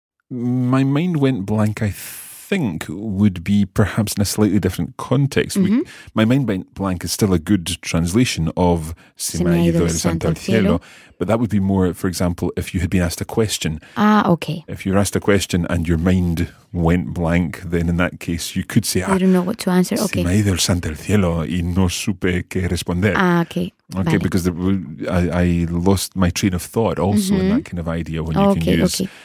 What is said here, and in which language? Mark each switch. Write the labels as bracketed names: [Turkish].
[English] My mind went blank, I think would be perhaps in a slightly different context. Mm-hmm. My mind went blank is still a good translation of [Spanish] se me ha ido el santo al cielo, [English] but that would be more, for example, if you had been asked a question. Ah, okay. If you're asked a question and your mind went blank, then in that case you could say, I don't know what to answer. Okay. [Spanish] Se me ha ido el santo al cielo y no supe qué responder. [English] Ah, okay. [Spanish] Okay, vale. [English] Because I lost my train of thought also in that kind of idea when you can use.